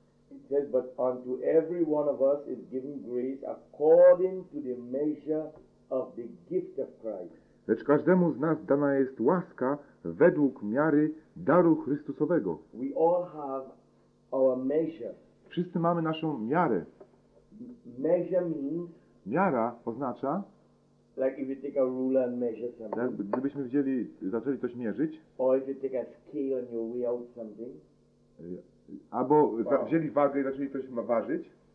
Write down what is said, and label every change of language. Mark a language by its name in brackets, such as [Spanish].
[English] It says, but unto every one of us is given grace according to the measure of the gift of Christ. [Polish] Lecz każdemu z nas dana jest łaska według miary daru Chrystusowego. [English] We all have our measure. [Polish] Wszyscy mamy naszą miarę. [English] Measure means, [Polish] miara oznacza, [English] like if you take a ruler and measure something. [Polish] Gdybyśmy wzięli, zaczęli coś mierzyć. [English] Or if you take a scale on your way out something. [Polish] Albo wzięli wagę i zaczęli coś ważyć.